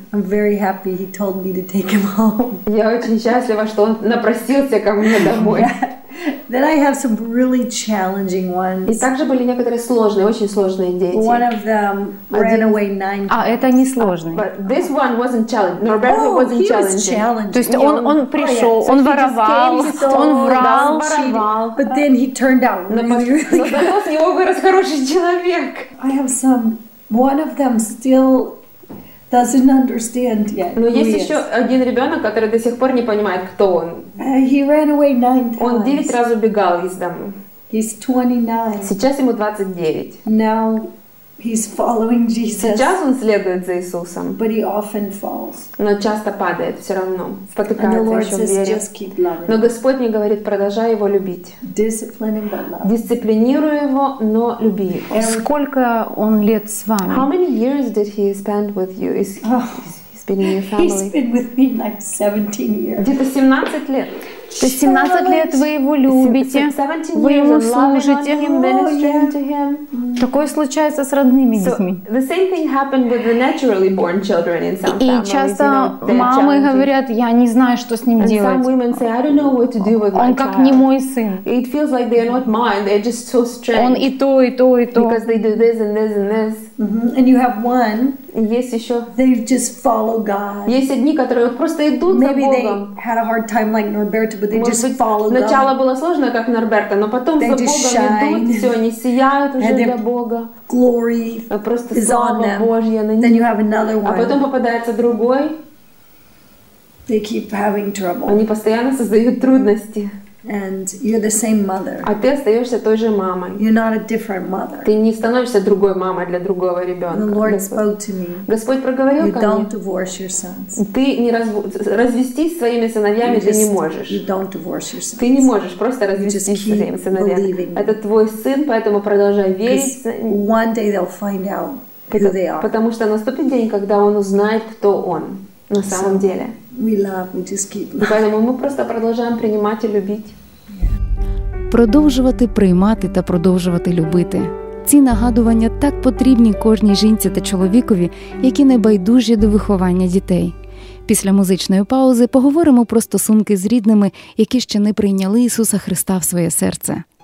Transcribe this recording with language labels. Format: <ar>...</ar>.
<en>I'm very happy he told me to take him home.</en> <ru>Я очень счастлива, что он напросился ко мне домой.</ru> <en>Then I have some really challenging ones.</en> <ru>И также были некоторые сложные, очень сложные дети.</ru> <en>One of them ran away 9 times.</en> <ru>А это не сложный.</ru> <en>But this one wasn't challenged. Norberto wasn't challenging.</en> <ru>То есть он пришел, он воровал, он врал, воровал.</ru> <en>But then he turned out really good.</en> <ru>Но потом его вырос хороший человек.</ru> <en>I have some. One of them still doesn't understand yet.</en> <ru>Но есть еще один ребенок, который до сих пор не понимает, кто он.</ru> <en>He ran away 9 times.</en> <ru>Он 9 раз убегал из дома.</ru> <en>He's 29.</en> <ru>Сейчас ему 29.</ru> <en>Now he's following Jesus.</en> <ru>Сейчас он следует за Иисусом.</ru> <en>But he often falls.</en> <ru>Но часто падает все равно. Спотыкается,</ru> <en>and the Lord</en> <ru>еще в вере.</ru> <en>Says, just keep loving.</en> <ru>Но Господь мне говорит, продолжай его любить.</ru> <en>Discipline him, but love.</en> <ru>Дисциплинируй его, но люби его. Сколько он лет с вами?</ru> <en>How many years did he spend with you? He's been with me like 17 years.</en> <ru>Где-то 17 лет. То есть 17 лет вы его любите, вы ему служите. Такое случается с родными детьми. И часто мамы говорят, я не знаю, что с ним делать. Он как не мой сын. Он и то, и то, и то.</ru> <en>And you have one.</en> <ru>Есть еще.</ru> <en>They just follow God.</en> <ru>Есть одни, которые просто идут за Богом.</ru> <en>Maybe they had a hard time like Norberto, but they just follow God.</en> <ru>Начало было сложно, как Норберто, но потом за Богом идут, все, они сияют уже для Бога.</ru> <en>Glory</en> <ru>просто слава Божья на них.</ru> <en>Then you have another one.</en> <ru>А потом попадается другой.</ru> <en>They keep having trouble.</en> <ru>Они постоянно создают трудности.</ru> <en>And you're the same mother.</en> <ru>А ты остаешься той же мамой.</ru> <en>You're not a different mother.</en> <ru>Ты не становишься другой мамой для другого ребенка.</ru> <en>The Lord spoke to me.</en> <ru>Господь проговорил ко мне.</ru> <en>You don't divorce your sons.</en> <ru>Ты не развестись своими сыновьями, ты не можешь.</ru> <en>You don't divorce your sons.</en> <ru>Ты не можешь просто развестись своими сыновьями. Это твой сын, поэтому продолжай верить.</ru> <en>One day they'll find out who they are.</en> <ru>Потому что наступит день, когда он узнает, кто он на самом деле.</ru> <en>We love, we just keep loving.</en> <ru>Поэтому мы просто продолжаем принимать</ru> <uk>і любити. Продовжувати приймати та продовжувати любити. Ці нагадування так потрібні кожній жінці та чоловікові, які небайдужі до виховання дітей. Після музичної паузи поговоримо про стосунки з рідними, які ще не прийняли Ісуса Христа в своє серце.</uk>